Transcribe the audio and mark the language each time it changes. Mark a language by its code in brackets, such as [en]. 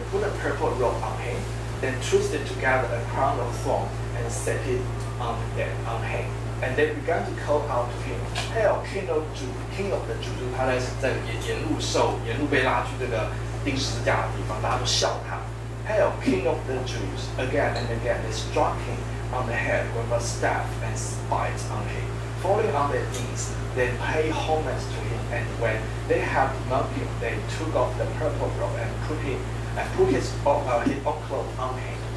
[en] They put a purple robe on him, then twisted together a crown of thorns and set it on him. And they began to call out to him, "Hail, King of Jews!" King of the Jews. [zh] 他在沿路被拉去这个钉十字架的地方，大家都笑他。 [en] Hail, King of the Jews! Again and again, they struck him on the head with a staff and spit on him. Falling on their knees, they pay homage to him. And when they had mocked him, they took off the purple robe and put his own clothes on him.